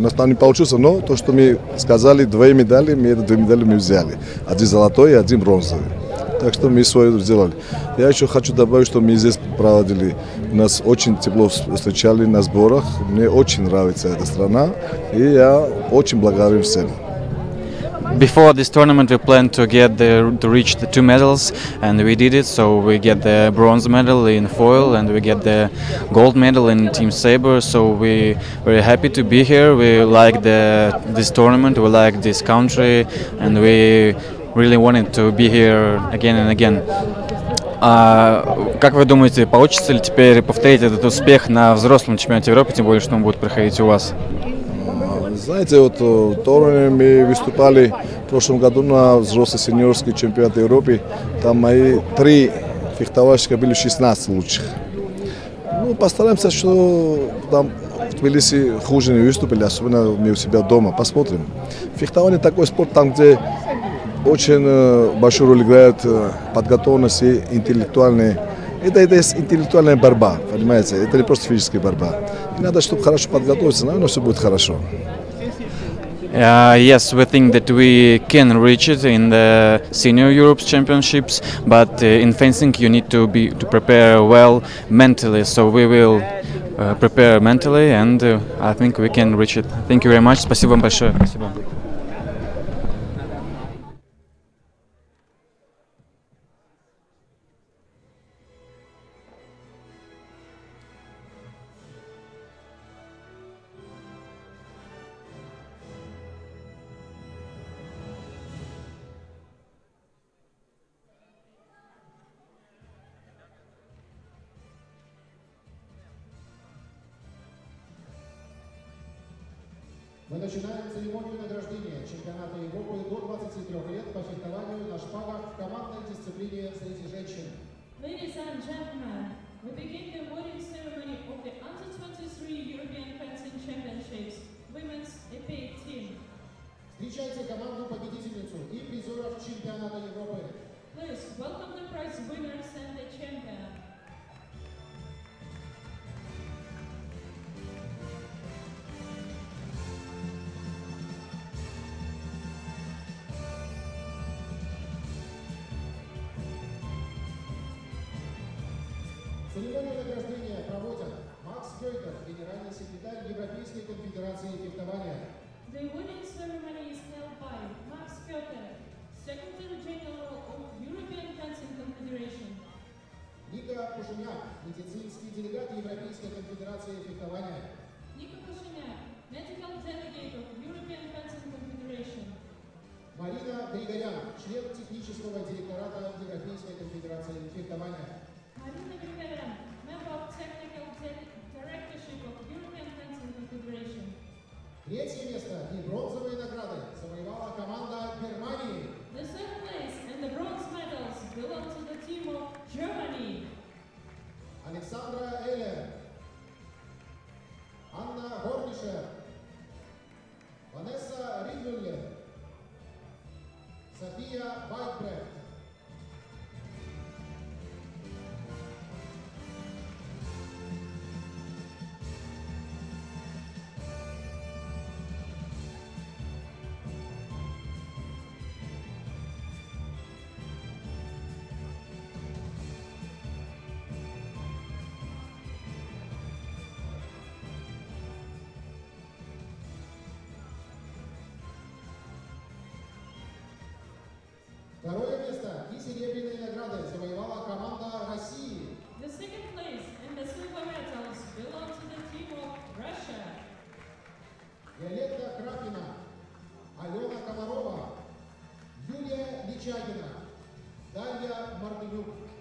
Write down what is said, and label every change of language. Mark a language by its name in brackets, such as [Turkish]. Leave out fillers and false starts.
[Russian] У нас там не получилось, но то, что мы сказали, две медали, мы эти две медали мы взяли. Один золотой и один бронзовый. Так что мы свое сделали. Я еще хочу добавить, что мы здесь проводили. Нас очень тепло встречали на сборах. Мне очень нравится эта страна, и я очень благодарен всем. [English] Before this tournament, we planned to get the to reach the two medals, and we did it. So we get the bronze medal in foil, and we get the gold medal in team saber. So we very happy to be here. We like this tournament. We like this country, and we really wanted to be here again and again. [Russian] Как вы думаете, получится ли теперь повторить этот успех на взрослом чемпионате Европы, тем более, что он будет проходить у вас? Знаете, вот в турнире мы выступали в прошлом году на взрослый сеньорский чемпионат Европы. Там мои три фехтовальщика были 16 лучших. Ну, постараемся, что там в Тбилиси хуже не выступили, особенно мы у себя дома. Посмотрим. Фехтование такой спорт, там, где очень большую роль играет подготовленность и интеллектуальные. Это интеллектуальная борьба, понимаете? Это не просто физическая борьба. И надо, чтобы хорошо подготовиться, наверное, все будет хорошо. [English] Yes, we think that we can reach it in the Senior Europe Championships, but in fencing you need to prepare well mentally. So we will prepare mentally, and I think we can reach it. Thank you very much. [Russian] Спасибо вам большое. Спасибо. Мы начинаем церемонию награждения чемпионата Европы до 23 лет по фехтованию на шпагах в командной дисциплине среди женщин. [English] Ladies and gentlemen, we begin the awarding ceremony of the Under 23 European Fencing Championships Women's EPEA Team. [Russian] Встречайте команду-победительницу и призеров чемпионата Европы. [English] Please welcome the prize winners and the champion. [Russian] Церемонию награждения проводят Макс Кёйтер, генеральный секретарь Европейской конфедерации фехтования. [English] The winning ceremony is held by Макс Кёйтер, Secretary General of European Fencing Confederation. [Russian] Ника Кушуняк, медицинский делегат Европейской конфедерации фехтования. [English] Ника Кушуняк, Medical Delegate of European Fencing Confederation. [Russian] Марина Григорян, член технического директората Европейской конфедерации фехтования. [English] Marina Grigorian, member of technical directorship of European Fencing Confederation. [Russian] Третье место и бронзовые награды завоевала команда Германии. [English] The second place and the bronze medals belong to the team of Germany. [Russian] Александра Эллер, Анна Горнишер, Ванесса Риндюльер, София Вайтбрехт. Второе место и серебряные награды завоевала команда России. [English] The second place and the silver medals belong to the team of Russia. [Russian] Виолетта Крапина, Алена Комарова, Юлия Личагина, Дарья Мартынюк.